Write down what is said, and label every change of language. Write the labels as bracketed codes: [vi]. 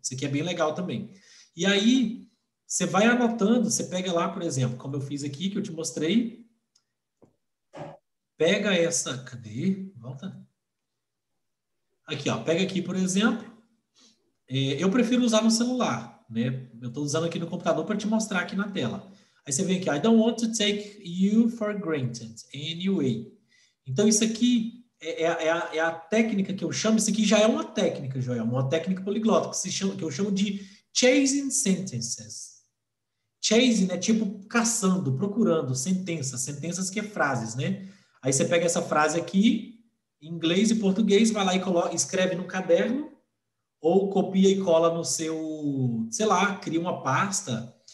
[pt] Isso aqui é bem legal também. E aí, você vai anotando, você pega lá, por exemplo, como eu fiz aqui, que eu te mostrei. Pega essa. Cadê? Volta. Aqui, ó. Pega aqui, por exemplo. Eu prefiro usar no celular, né? Eu estou usando aqui no computador para te mostrar aqui na tela. Aí você vem aqui. [en] I don't want to take you for granted anyway. [pt] Então, isso aqui é a técnica que eu chamo. Isso aqui já é uma técnica, Joel. Uma técnica poliglota, que eu chamo de chasing sentences. Chasing é tipo caçando, procurando sentenças. Sentenças que é frases, né? Aí você pega essa frase aqui, em inglês e português, vai lá e coloca, escreve no caderno, ou copia e cola no seu, sei lá, cria uma pasta.